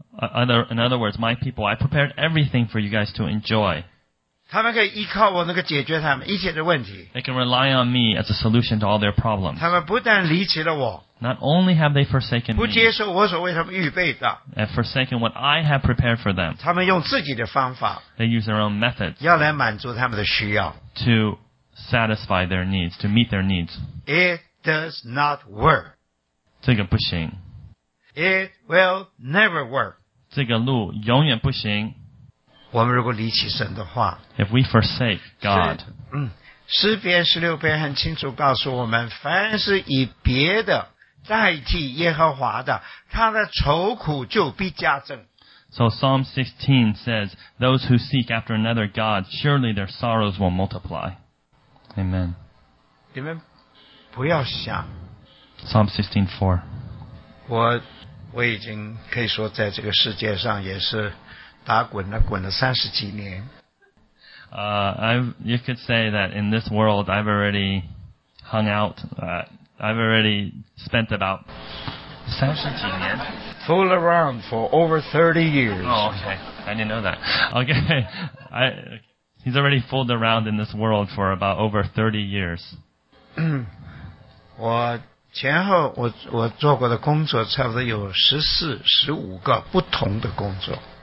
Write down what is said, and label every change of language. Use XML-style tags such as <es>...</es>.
<en>In other words, my people, I prepared everything for you guys to enjoy.</en> <zh>他们可以依靠我那个解决他们一切的问题。</zh> <en>They can rely on me as a solution to all their problems.</en> <zh>他们不但离弃了我。</zh> <en>Not only have they forsaken me.</en> <zh>不接受我所为他们预备的。</zh> <en>And forsaken what I have prepared for them.</en> <zh>他们用自己的方法。</zh> <en>They use their own methods.</en> <zh>要来满足他们的需要。</zh> <en>To satisfy their needs, to meet their needs. Does not work.</en> <zh>这个不行。</zh> <en>It will never work.</en> <zh>这个路永远不行。我们如果离弃神的话。</zh> <en>If we forsake God.</en> <zh>诗篇十六篇很清楚告诉我们凡是以别的代替耶和华的他的愁苦就必加增。</zh> <en>So Psalm 16 says, those who seek after another God, surely their sorrows will multiply. Amen. Amen.</en> <zh>不要想</zh> <en>Psalm 16:4</en> <zh>我已经可以说在这个世界上也是打滚了滚了三十几年</zh> <en>You could say that in this world I've already spent about</en> <zh>三十几年</zh> <en>Fool around for over 30 years Oh, okay, I didn't know that Okay, he's already fooled around in this world for about over 30 years</en> <zh>我前后 我做过的工作差不多有14、15个不同的工作。</zh>